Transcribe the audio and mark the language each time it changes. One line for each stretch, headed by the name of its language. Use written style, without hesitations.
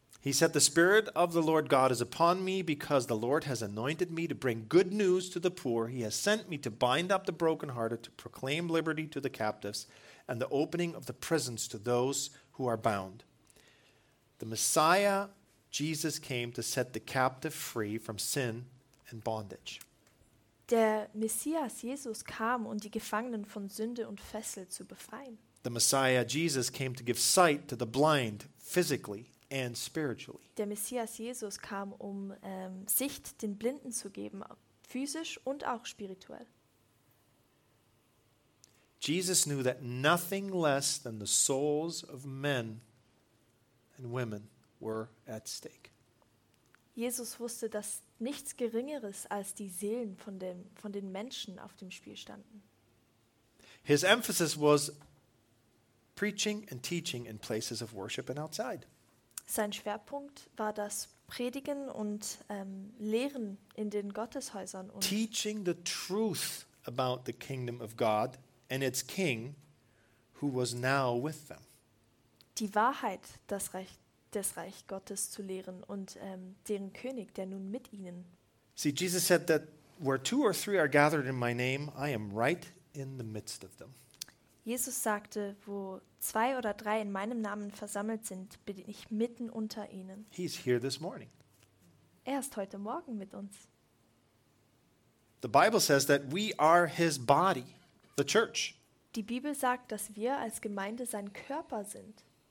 English: He said, the Spirit of the Lord God is upon me, because the Lord has anointed me to bring good news to the poor. He has sent me to bind up the brokenhearted, to proclaim liberty to the captives, and the opening of the prisons to those who are bound. The Messiah, Jesus, came to set the captive free from sin and bondage.
German: Der Messias Jesus kam, um die Gefangenen von Sünde und Fessel zu befreien.
English: The Messiah Jesus came to give sight to the blind physically and spiritually.
German: Der Messias Jesus kam, um Sicht den Blinden zu geben, physisch und auch spirituell.
English: Jesus knew that nothing less than the souls of men and women were at stake.
German: Jesus wusste, dass nichts Geringeres als die Seelen von den Menschen auf dem Spiel standen.
English: His emphasis was preaching and teaching in places of worship and outside.
German: Sein Schwerpunkt war das Predigen und Lehren in den Gotteshäusern und
English: teaching the truth about the kingdom of God and its king who was now with them.
German: Die Wahrheit, das Recht des Reich Gottes zu lehren und deren König, der nun mit ihnen.
English: See, Jesus said that where two or three are gathered in my name, I am right in the midst of them.
German: Jesus sagte, wo zwei oder drei in meinem Namen versammelt sind, bin ich mitten unter ihnen.
English: He's here this morning.
German: Er ist heute Morgen mit uns.
English: The Bible says that we are his body, the church.
German: Die Bibel sagt, dass wir als Gemeinde sein Körper sind.